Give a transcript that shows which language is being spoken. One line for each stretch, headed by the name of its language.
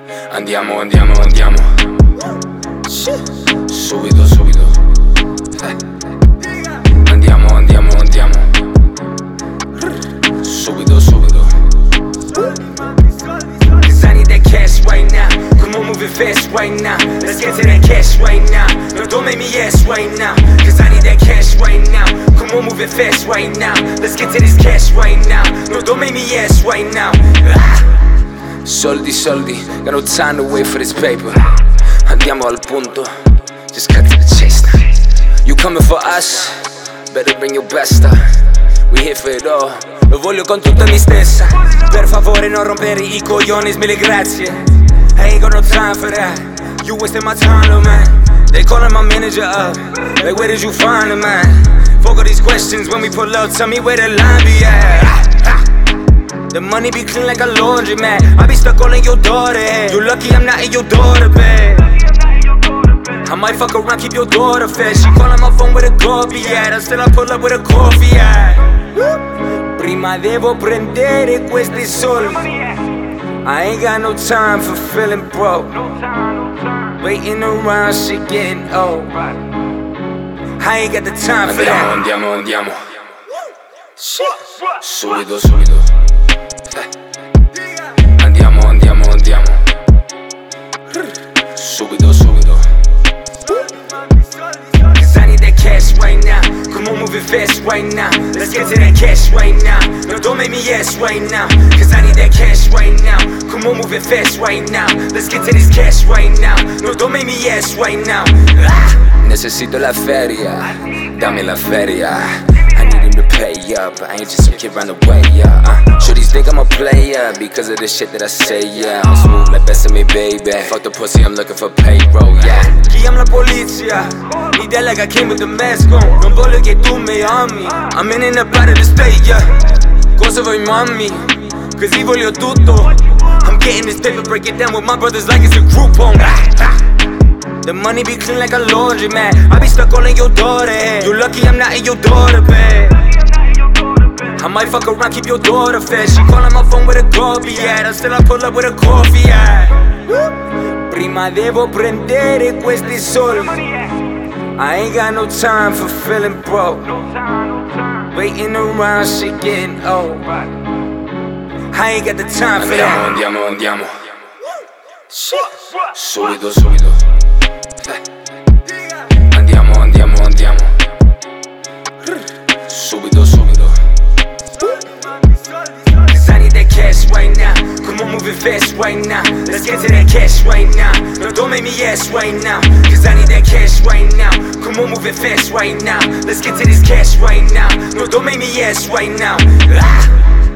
Italian: Andiamo, andiamo, andiamo. Subito, subito. Andiamo, andiamo, andiamo. Subito, subito.
English: I need that cash right now. Come on, move it fast right now. Let's get to that cash right now. No, don't make me ask right now. Cause I need that cash right now. Come on, move it fast right now. Let's get to this cash right now. No, don't make me ask right now.
Italian: Soldi, soldi,
English: got no time to wait for this paper.
Italian: Andiamo al punto,
English: just cut to the chase now. You coming for us, better bring your best up. We here for it all,
Italian: lo voglio con tutta me stessa. Per favore non rompere I coglioni, mille grazie.
English: I ain't got no time for that, you wasting my time, little man. They calling my manager up, like where did you find a man? Fuck all these questions when we pull out, tell me where the line be at. The money be clean like a laundry man. I be stuck calling your daughter. You lucky I'm not in your daughter bed. I might fuck around, keep your daughter fed. She calling my phone with a coffee yet. I still I pull up with a coffee yet.
Italian: Prima devo prendere questi soldi.
English: I ain't got no time for feeling broke. Waiting around, she getting old. I ain't got the time for that.
Italian: Andiamo, andiamo, andiamo. Subito, subito. Andiamo, andiamo, andiamo. Subito, subito.
English: Cause I need that cash right now. Come on, move it fast right now. Let's get to that cash right now. No, don't make me ask right now. Cause I need that cash right now. Come on, move it fast right now. Let's get to this cash right now. No, don't make me ask right now.
Spanish: Necesito la feria.
Italian: Dammi la feria.
English: Pay up, I ain't just some kid run away, yeah. Shorties think I'm a player because of the shit that I say, yeah. I'm smooth like Bessemi, baby. Fuck the pussy, I'm looking for payroll, yeah.
Italian: Chiam la polizia, mi dè
English: like I came with the mask on.
Italian: Non voglio che tu mi ami.
English: I'm in the part of the state, yeah.
Italian: Cosa vuoi,
English: mommy? Cause I
Italian: voglio tutto.
English: I'm getting this paper, break it down with my brothers like it's a group home. The money be clean like a laundry man. I be stuck calling your daughter. You lucky I'm not in your daughter bed. I might fuck around, keep your daughter fed. She calling my phone with a coffee yet. I still I pull up with a coffee yet.
Italian: Prima devo prendere questi soldi.
English: I ain't got no time for feeling broke. Waiting around, she getting old. I ain't got the time for that.
Italian: Andiamo, andiamo, andiamo. Subito, subito. Andiamo, andiamo, andiamo. Subito, subito.
English: Cause I need that cash right now. Come on, move it fast right now. Let's get to that cash right now. No, don't make me ask right now. Cause I need that cash right now. Come on, move it fast right now. Let's get to this cash right now. No, don't make me ask right now.